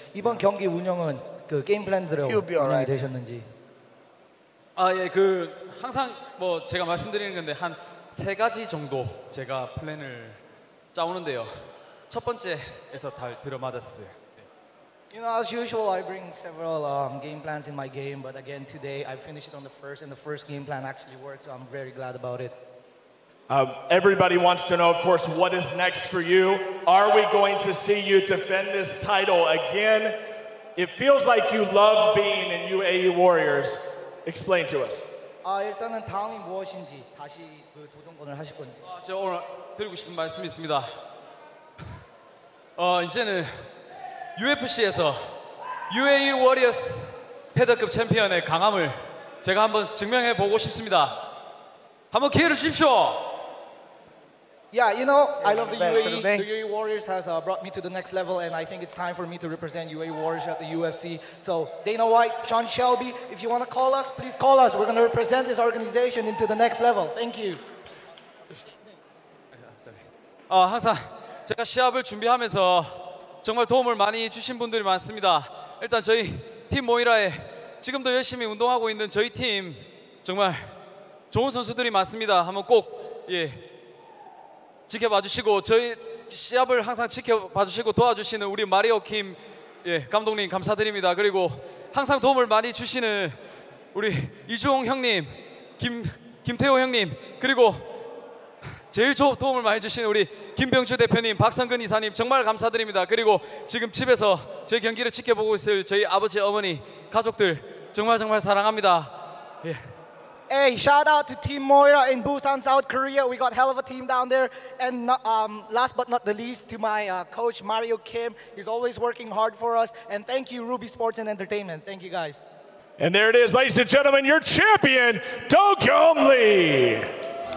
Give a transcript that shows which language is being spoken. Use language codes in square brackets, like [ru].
[ko] 이번 경기 운영은 그 게임 플랜대로 운영이 되셨는지. 아 예, 그 항상 뭐 제가 말씀드리는 건데 한 세 가지 정도 제가 플랜을 짜오는데요. 첫 번째에서 다 들어맞았어요. [en] You know, as usual, I bring several game plans in my game, but again, today I finished it on the first, and the first game plan actually worked, so I'm very glad about it. Everybody wants to know, of course, what is next for you. Are we going to see you defend this title again? It feels like you love being in UAE Warriors. Explain to us. [ko] 아 일단은 다음이 무엇인지 다시 그 도전권을 하실 건지. 아, 제가 오늘 드리고 싶은 말씀이 있습니다. 이제는 UFC에서 UAE Warriors 패더급 챔피언의 강함을 제가 한번 증명해 보고 싶습니다. 한번 기회를 주십시오. [en] Yeah, you know, I love the UAE. The UAE Warriors has brought me to the next level, and I think it's time for me to represent UAE Warriors at the UFC. So, Dana White, Sean Shelby, if you want to call us, please call us. We're going to represent this organization into the next level. Thank you. Sorry. [ko] 항상 제가 시합을 준비하면서 정말 도움을 많이 주신 분들이 많습니다. 일단 저희 팀 모이라에 지금도 열심히 운동하고 있는 저희 팀 정말 좋은 선수들이 많습니다. 한번 꼭 예. 지켜봐 주시고 저희 시합을 항상 지켜봐 주시고 도와주시는 우리 마리오 김 예, 감독님 감사드립니다. 그리고 항상 도움을 많이 주시는 우리 이주홍 형님, 김태호 형님, 그리고 제일 도움을 많이 주시는 우리 김병주 대표님, 박성근 이사님 정말 감사드립니다. 그리고 지금 집에서 제 경기를 지켜보고 있을 저희 아버지, 어머니, 가족들 정말 정말 사랑합니다. 예. [en] Hey, shout out to Team Moira in Busan, South Korea. We got hell of a team down there. And last but not the least, to my coach, Mario Kim. He's always working hard for us. And thank you, Ruby Sports and Entertainment. Thank you, guys. And there it is, ladies and gentlemen, your champion, Dokyom Lee.